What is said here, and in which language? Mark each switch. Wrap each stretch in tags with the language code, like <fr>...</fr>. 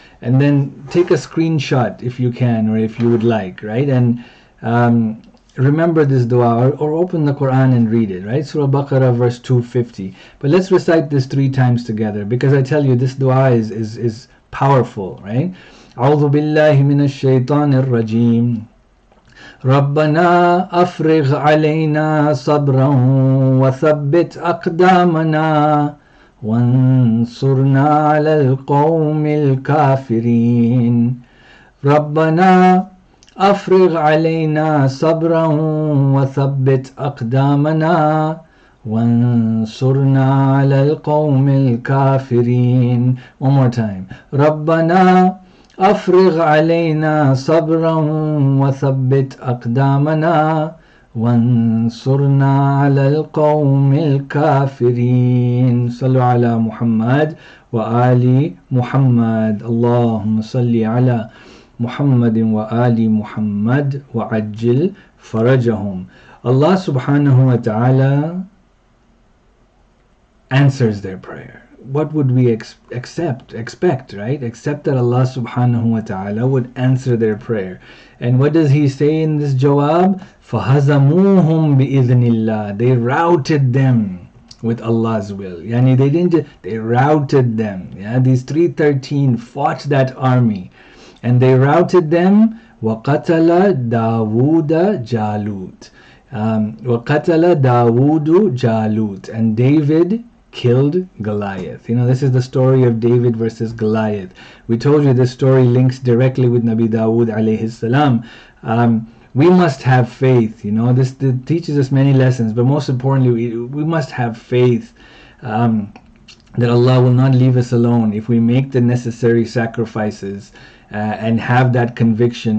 <en>And then take a screenshot if you can or if you would like, right? And remember this dua or open the Quran and read it, right? Surah Baqarah verse 250. But let's recite this 3 times together, because I tell you, this dua is powerful, right?</en> <ar>أعوذ بالله من الشيطان الرجيم ربنا أفرغ علينا صبرا وثبت أقدامنا وانصرنا على القوم الكافرين ربنا أفرغ علينا صبرا وثبت أقدامنا وانصرنا على القوم الكافرين</ar> <en>One more time.</en> <ar>ربنا أفرغ علينا صبرا وثبت أقدامنا وانصرنا على القوم الكافرين صلوا على محمد وآل محمد اللهم صل على محمد وآل محمد وعجل فرجهم الله سبحانه وتعالى</ar> <en>answers their prayer. What would we expect, right? Except that Allah subhanahu wa ta'ala would answer their prayer. And what does he say in this jawab?</en> <ar>فَهَزَمُوهُمْ بِإِذْنِ اللَّهِ</ar> <en>They routed them with Allah's will. Yani they didn't, they routed them. Yeah, these 313 fought that army. And they routed them.</en> <ar>وَقَتَلَ دَاوُودَ جَالُوتَ وَقَتَلَ دَاوُودُ جَالُوتَ</ar> <en>And David killed Goliath. You know, this is the story of David versus Goliath. We told you this story links directly with Nabi Dawood alayhi salam. We must have faith. You know, this teaches us many lessons, but most importantly, we must have faith that Allah will not leave us alone if we make the necessary sacrifices and have that conviction.</en>